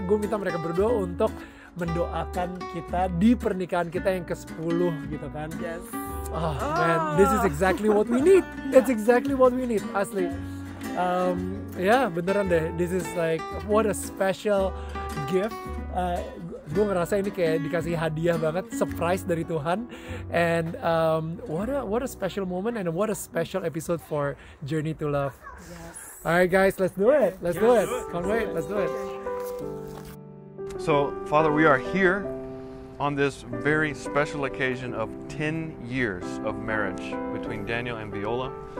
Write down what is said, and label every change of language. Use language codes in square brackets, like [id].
[id] Gue minta mereka berdua untuk mendoakan kita di pernikahan kita yang ke-10 gitu kan. [en] Yes. Oh man, this is exactly what we need. It's exactly what we need, [id] asli. [en] Yeah, [id] beneran deh. [en] This is like, what a special gift. [id] Gue ngerasa ini kayak dikasih hadiah banget, surprise dari Tuhan. [en] And what a special moment and what a special episode for Journey to Love. Yes. All right, guys, let's do it. Let's do it. Can't wait. Let's do it. So, Father, we are here on this very special occasion of 10 years of marriage between Daniel and Viola.